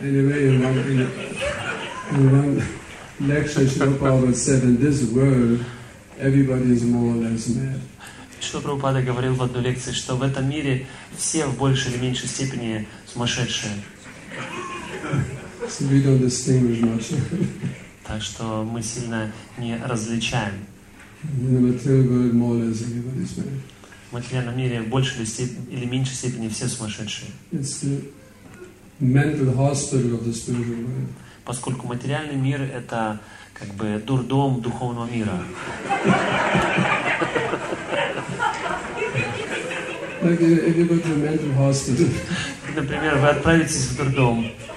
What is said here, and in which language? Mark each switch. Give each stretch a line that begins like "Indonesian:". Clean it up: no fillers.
English: Anyway, in one lecture, Shilpa said, in this world, everybody is more or less mad.
Russian: Что Прабхупада говорил в одной лекции, что в этом мире все в большей или меньшей степени сумасшедшие.
English: So we don't distinguish much.
Russian: Так что мы сильно не различаем.
English: In the material world, more or less everybody is mad.
Russian: В материальном мире в большей или меньшей степени все сумасшедшие.
English: It's the mental hospital of the spiritual world.
Russian: Поскольку материальный мир — это как бы дурдом духовного мира.
English: Like if you go to a mental hospital.
Russian: Например, вы отправитесь в дурдом.